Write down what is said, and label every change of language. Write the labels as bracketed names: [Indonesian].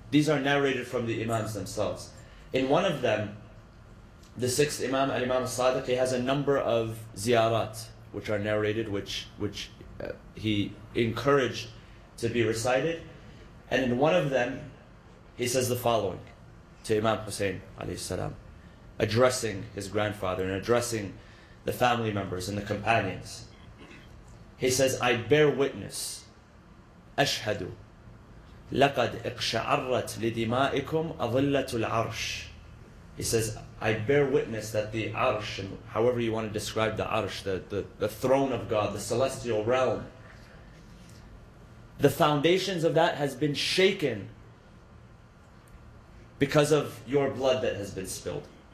[English] These are narrated from the imams themselves. In one of them, the sixth imam, Al-Imam al-Sadiq, he has a number of ziyarat which are narrated, which he encouraged to be recited. And in one of them, he says the following to Imam Hussein alayhi salam, addressing his grandfather and addressing the family members and the companions. He says, "I bear witness, [Arabic] أشهدُ لقد اقشعرت لدمائكم أظلة العرش." [English] He says, "I bear witness that the arsh," and however you want to describe the arsh, the throne of God, the celestial realm, the foundations of that has been shaken because of your blood that has been spilled.